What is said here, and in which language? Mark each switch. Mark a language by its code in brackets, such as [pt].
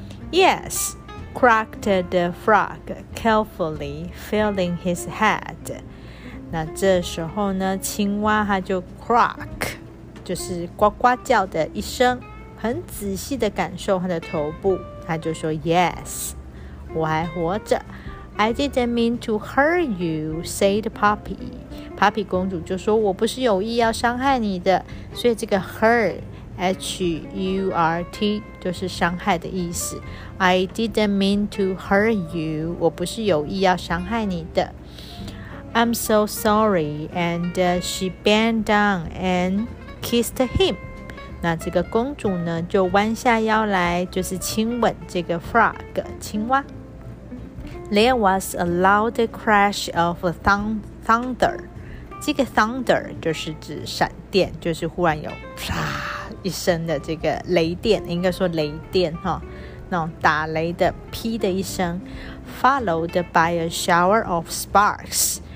[en] Yes, croaked the frog carefully, feeling his head. [zh] 那这时候呢，青蛙它就 croak， 就是呱呱叫的一声，很仔细的感受它的头部。它就说 ，Yes， 我还活着。 [en] I didn't mean to hurt you, said Poppy. [zh] Poppy 公主就说，我不是有意要伤害你的。所以这个 hurt 就是伤害的意思。 [en] I didn't mean to hurt you， [zh] 我不是有意要伤害你的。 [en] I'm so sorry, and she bent down and kissed him. [zh] 那这个公主呢，就弯下腰来，就是亲吻这个 frog 青蛙。 [en] There was a loud crash of thunder. [zh] 这个 thunder 就是指闪电，就是忽然有啪一声的这个雷电，应该说雷电哈，那种打雷的劈的一声 ， [en] followed by a shower of sparks.